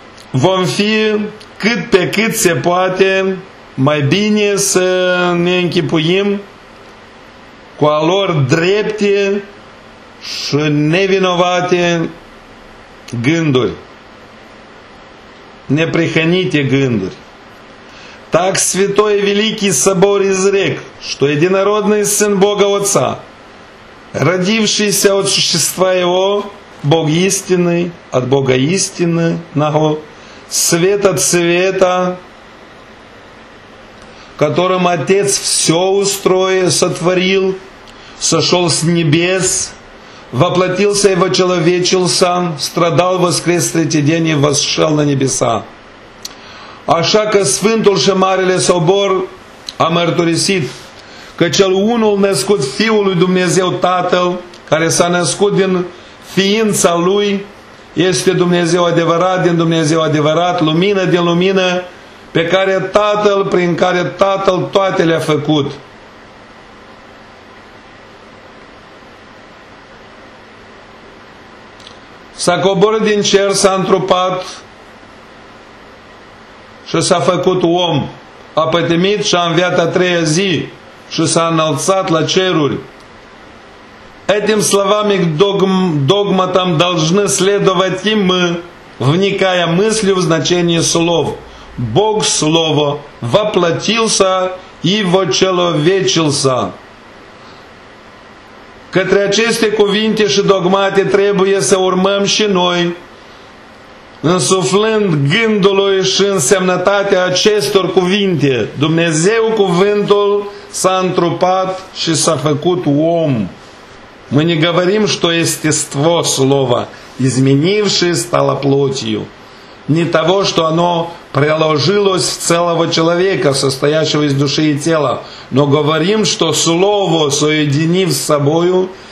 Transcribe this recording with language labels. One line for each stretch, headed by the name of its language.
Romanian: vom fi cât pe cât se poate mai bine să ne închipuim cu a lor drepte și nevinovate gânduri, neprihănite gânduri.
Russian: Так святой великий собор изрек, что единородный сын Бога Отца, родившийся от существа Его, Бог истинный, от Бога истинного, свет от света, которым Отец все устроил, сотворил, сошел с небес, воплотился и вочеловечился, страдал, воскрес третий день и восшел на небеса.
Romanian: Așa că Sfântul și Marele Sobor a mărturisit că cel unul născut Fiul lui Dumnezeu Tatăl, care s-a născut din ființa Lui, este Dumnezeu adevărat din Dumnezeu adevărat, lumină din lumină, pe care Tatăl, prin care Tatăl toate le-a făcut. S-a coborât din cer, s-a întrupat și s-a făcut om, a pătimit și a înviat a treia zi și s-a înălțat la ceruri.
Russian: Этим словами догматам должны следовать и мы, вникая мыслью в значение слов. Бог Слово воплотился и вочеловечился.
Romanian: Către aceste cuvinte și dogmate trebuie să urmăm și noi, însuflând gândului și însemnătatea acestor cuvinte. Dumnezeu cuvântul s-a întrupat și s-a făcut om.
Russian: Мы не говорим, что естество слова, изменившее стало плотью, не того, что оно приложилось в целого человека, состоящего из души и тела, но говорим, что слово, соединив с собою